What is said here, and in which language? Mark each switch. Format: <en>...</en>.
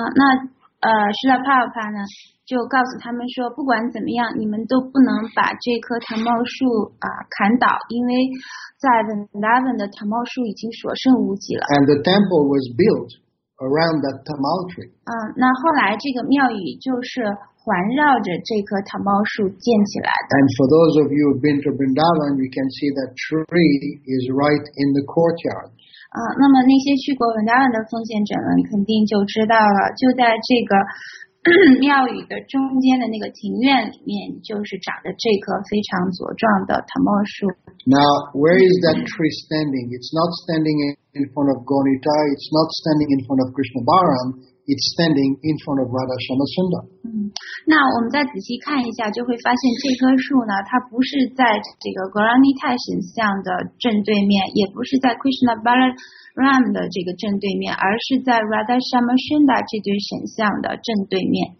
<zh>那Srila Prabhupada 呢就告诉他们说，不管怎么样，你们都不能把这棵tamal 树砍倒，因为在 Vrindavan 的tamal 树已经所剩无几了。</zh> <en>And the temple was built around that tamal tree.</en> <zh>那后来这个庙宇就是环绕着这棵tamal 树建起来的。</zh> <en>And for those of you who've been to Vrindavan, you can see that tree is right in the courtyard.</en> <zh>那么那些去过文达湾的奉献者们肯定就知道了，就在这个庙宇的中间的那个庭院里面，就是长着这棵非常茁壮的藤蔓树。</zh> <en>Now, where is that tree standing? It's not standing in front of Gonita. It's not standing in front of Krishna Balaram. It's standing in front of Radha Shamasunda.</en> <zh>那我们再仔细看一下，就会发现这棵树呢，它不是在这个 Gauranita 神像的正对面，也不是在 Krishna Balaram 的这个正对面，而是在 Radha Shamasunda 这对神像的正对面。</zh>